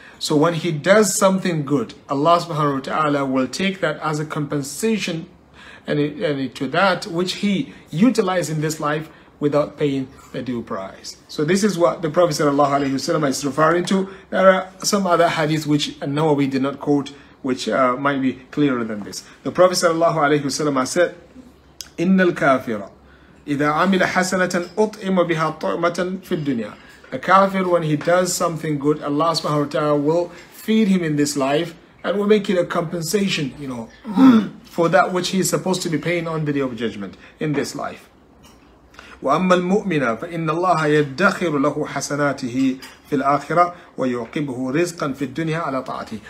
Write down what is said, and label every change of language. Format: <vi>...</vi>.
<en>So when he does something good, Allah subhanahu wa ta'ala will take that as a compensation and to that which he utilized in this life without paying the due price. So this is what the Prophet sallallahu alayhi wa sallam is referring to. There are some other hadiths which Nawawi did not quote, which might be clearer than this. The Prophet sallallahu alayhi wa sallam said,</en> <ar>إِنَّ الْكَافِرَ إِذَا عَمِلَ حَسَنَةً أُطْعِمَ بِهَا طُعْمَةً فِي الدُّنْيَا.</ar> <en>A kafir, when he does something good, Allah subhanahu wa ta'ala will feed him in this life and will make it a compensation, you know, for that which he is supposed to be paying on the day of judgment in this life.</en> <ar>وَأَمَّا الْمُؤْمِنَ فَإِنَّ اللَّهَ يَدَّخِرُ لَهُ حَسَنَاتِهِ فِي الْآخِرَةِ وَيُعْقِبُهُ رِزْقًا فِي الدُّنْيَا عَلَى طَاعَتِهِ.</ar>